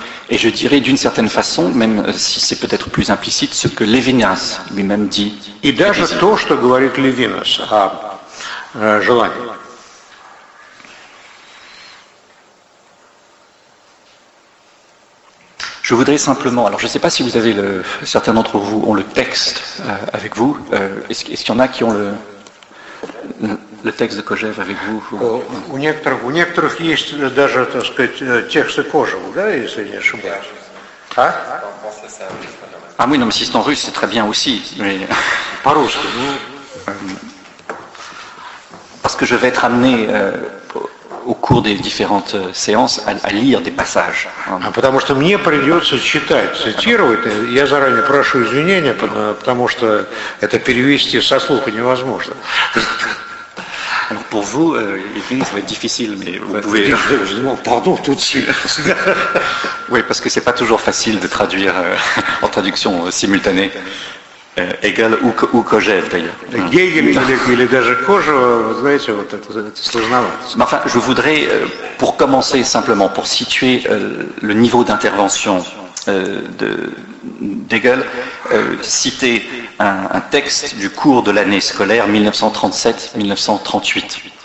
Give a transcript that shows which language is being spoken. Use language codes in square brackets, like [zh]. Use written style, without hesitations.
[fr] Et je dirais d'une certaine façon, même si c'est peut-être plus implicite, ce que Lévinas lui-même dit. Et [ru] даже то, что говорит Левинас о желании. [fr] Je voudrais simplement, alors je ne sais pas si vous avez certains d'entre vous ont le texte avec vous. Est-ce qu'il y en a qui ont le texte de Kojev avec vous? [ru] У некоторых есть даже, так сказать, тексты Кожева, да, если не ошибаюсь. [fr] Ah oui, non, mais si c'est en russe, c'est très bien aussi. Mais... Pas russe. Parce que je vais être amené. Au cours des différentes séances, à lire des passages. [ru] Потому что мне придется читать, цитировать. Я заранее прошу извинения, потому что это перевести со слуха невозможно. [fr] Pour vous, ça va être difficile, mais vous pouvez. Pardon, tout de suite. Oui, parce que c'est pas toujours facile de traduire en traduction simultanée. Hegel ou Kojève, d'ailleurs. [ru] Hegel или даже Кожева, [fr] vous savez, c'est [ru] сложновато. [fr] Enfin, je voudrais, pour commencer simplement, pour situer le niveau d'intervention d'Hegel, citer un texte du cours de l'année scolaire 1937-1938.